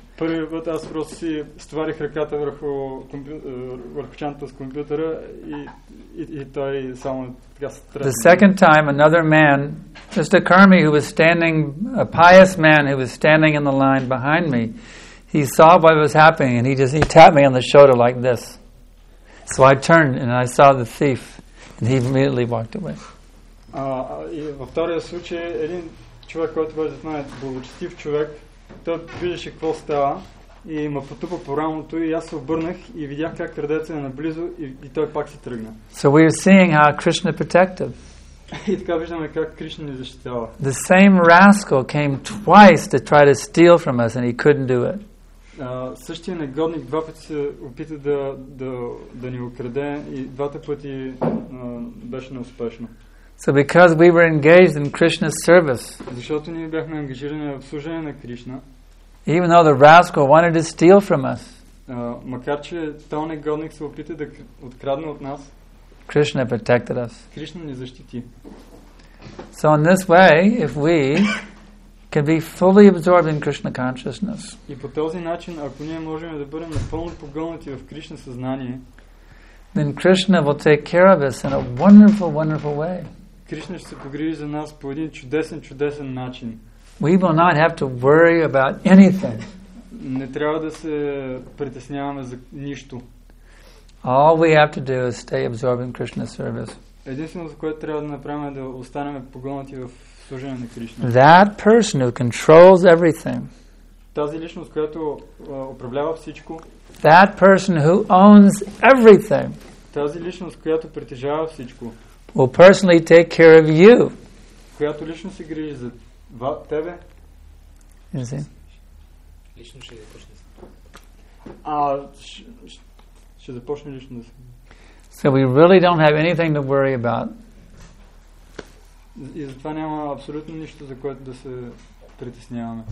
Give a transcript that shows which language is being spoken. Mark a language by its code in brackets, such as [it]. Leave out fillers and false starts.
[bg] Първият път аз просто си стварих ръката върху чантата с компютъра и той само така се тръгна. [en] The second time another man, just a karmi who was standing, a pious man who was standing in the line behind me, he saw what was happening and he tapped me on the shoulder like this. So I turned and I saw the thief and he immediately walked away. [bg] И във втория случай един човек, който беше знае, благочестив човек, той виждаше какво става и ме потупа по рамото и аз се обърнах и видях как крадецът е наблизо и той пак се тръгна. [en] So we are seeing how Krishna protected. [bg] И така виждаме как Кришна ни защитава. [en] The same rascal came twice to try to steal from us and he couldn't do it. [bg] Същия негодник два пъти се опита да ни украде и двата пъти беше неуспешно. [en] So because we were engaged in Krishna's service. [bg] Защото ние бяхме ангажирани в служение на Кришна. [en] Even though the rascal wanted to steal from us. [bg] Макар че този негодник се опита да открадне от нас. [en] Krishna protected us. [bg] Кришна ни защити. [en] So in this way, if we can be fully absorbed in Krishna consciousness. [bg] И по този начин, ако ние можем да бъдем напълно погълнати в Кришна съзнание, [en] then Krishna will take care of us in a wonderful, wonderful way. [bg] Кришна ще се погрижи за нас по един чудесен начин. [en] We will not have to worry about anything. [bg] Не трябва да се притесняваме за нищо. [en] All we have to do is stay absorbed in Krishna's service. [bg] Единственото, което трябва да направим е да останем погълнати в [en] that person who controls everything, [bg] тази личност, която управлява всичко, [en] that person who owns everything, [bg] тази личност, която притежава всичко, [en] will personally take care of you. [bg] Която лично се грижи за тебе. Лично ще ви започне. Ще започне лично. [en] So we really don't have anything to worry about. [bg] И затова няма абсолютно нищо, за което да се притесняваме.